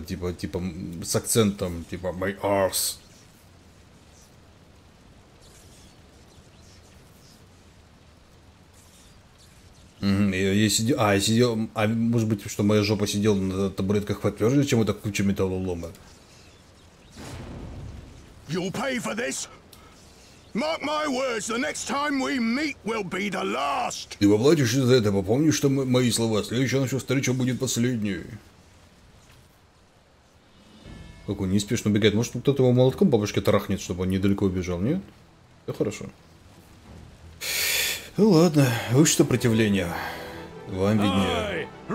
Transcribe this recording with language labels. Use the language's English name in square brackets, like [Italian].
[Russian] Типа с акцентом, типа [English] my ars. [Russian] Я сидел, может быть, что моя жопа сидела на табуретках потверже, чем эта куча металлолома. [English] You'll pay for this. Mark my words, the next time we meet will be the last. [Russian] Ты воплотишь за это, попомни, что мои слова, следующая наша встреча будет последней. Как он неспешно убегает, может кто-то его молотком бабушке тарахнет, чтобы он недалеко убежал, нет? Да хорошо. Ну ладно, выше сопротивление. Вам виднее.